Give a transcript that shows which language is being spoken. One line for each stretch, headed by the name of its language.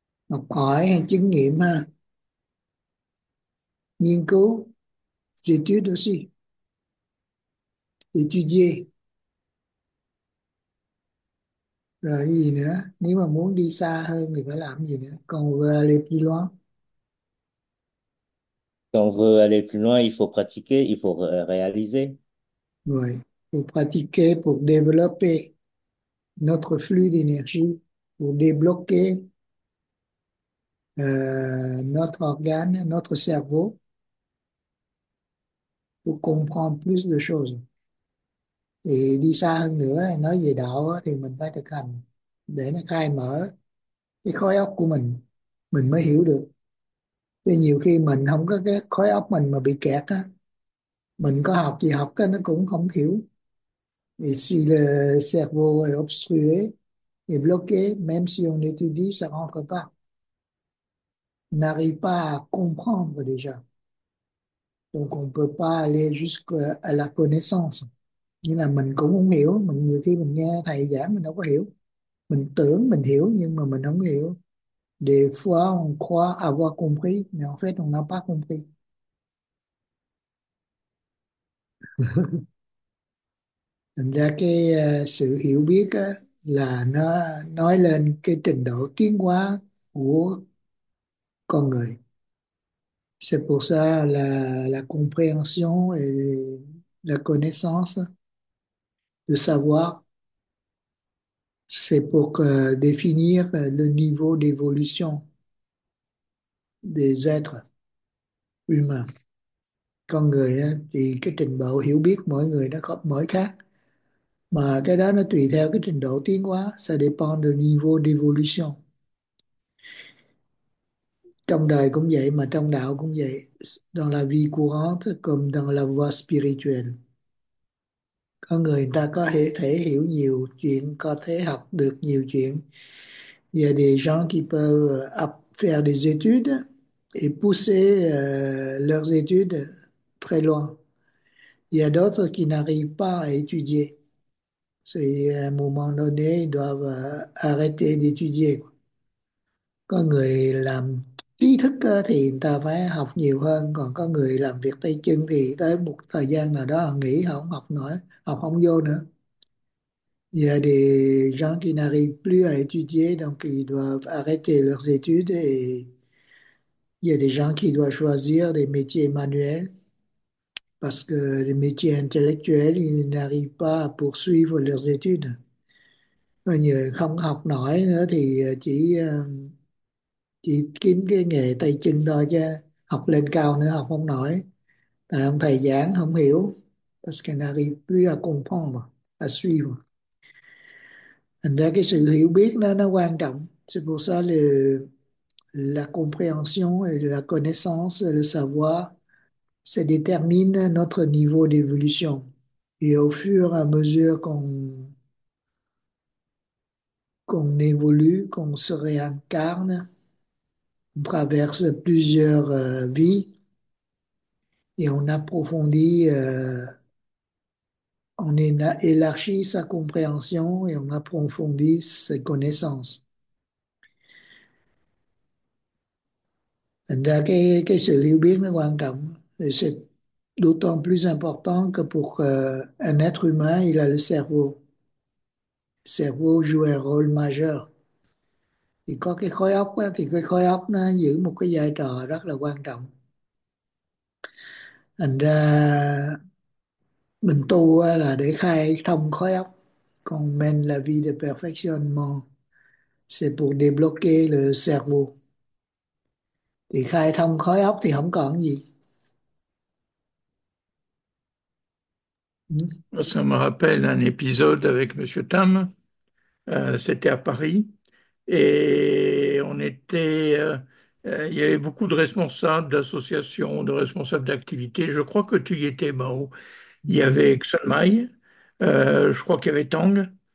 Vietnamese: Học hỏi hay chứng nghiệm ha, nghiên cứu, étudier, rồi gì nữa, nếu mà muốn đi xa hơn thì phải làm gì nữa, còn liệt gì đó.
French: Quand on veut aller plus loin, il faut pratiquer, il faut réaliser. Rồi, pour pratiquer, pour développer notre flux d'énergie, pour débloquer notre organe, notre cerveau, pour comprendre plus de choses.
Vietnamese: Thì đi xa hơn nữa, nói về đạo thì mình phải thực hành để nó khai mở cái khối óc của mình mới hiểu được. Vì nhiều khi mình không có cái khối óc mình mà bị kẹt á, mình có học gì học cái nó cũng không hiểu, thì xì vô obscure thì bloqué,
French: même si on étudie ça rentre pas, n'arrive pas à comprendre déjà. Donc on peut pas aller jusqu'à la connaissance.
Vietnamese: Nghĩa là mình cũng không hiểu, mình nhiều khi mình nghe thầy giảng mình đâu có hiểu. Mình tưởng mình hiểu nhưng mà mình không hiểu.
French: Des fois on croit avoir compris, mais en fait on n'a pas compris.
Vietnamese: Thành ra cái sự hiểu biết á, là nó nói lên cái trình độ tiến hóa của con người.
French: C'est pour ça la compréhension et la connaissance, de savoir, c'est pour définir le niveau d'évolution des êtres humains.
Vietnamese: Con người thì cái trình độ hiểu biết mỗi người nó có mỗi khác, mà cái đó nó tùy theo cái trình độ tiến hóa,
French: ça dépend du niveau d'évolution.
Vietnamese: Trong đời cũng vậy, mà trong đạo cũng vậy,
French: dans la vie courante comme dans la voie spirituelle.
Vietnamese: Con người ta có thể hiểu nhiều chuyện, có thể học được nhiều chuyện.
French: Il y a des gens qui peuvent faire des études et pousser leurs études très loin. Il y a d'autres qui n'arrivent pas à étudier. C'est à un moment donné, ils doivent arrêter d'étudier.
Vietnamese: Con người làm trí thức thì người ta phải học nhiều hơn, còn có người làm việc tay chân thì tới một thời gian nào đó họ nghỉ, họ không học nữa, học không vô nữa. Giờ thì
French: gens qui n'arrivent plus à étudier, donc ils doivent arrêter leurs études, et il y a des gens qui doivent choisir des métiers manuels parce que les métiers intellectuels, ils n'arrivent pas à poursuivre leurs études.
Vietnamese: Còn nhiều không học nổi nữa thì chỉ kiếm cái nghề tay chân thôi, chứ học lên cao nữa học không nổi, tại ông thầy giảng không hiểu.
French: Parce qu'on n'arrive plus à comprendre, à suivre.
Vietnamese: Thành ra cái sự hiểu biết nó quan trọng.
French: C'est pour ça la compréhension et la connaissance, le savoir, ça détermine notre niveau d'évolution. Et au fur et à mesure qu'on évolue, qu'on se réincarne, on traverse plusieurs vies et on approfondit, on élargit sa compréhension et on approfondit ses connaissances.
Vietnamese: Thành ra cái sự hiểu biết nó quan trọng,
French: et c'est d'autant plus important que pour un être humain, il a le cerveau. Le cerveau joue un rôle majeur.
Vietnamese: Thì có cái khối óc á, thì cái khối óc nó giữ một cái vai trò rất là quan trọng. Thành ra mình tu á, là để khai thông khối óc.
French: Còn men la vie de perfectionnement, c'est pour débloquer le cerveau.
Vietnamese: Thì khai thông khối óc thì không còn gì.
French: Ça me rappelle un épisode avec M. Tam. C'était à Paris. Et on était. Il y avait beaucoup de responsables d'associations, de responsables d'activités. Je crois que tu y étais, Mao. Il y avait Xelmaï, je crois qu'il y avait Tang.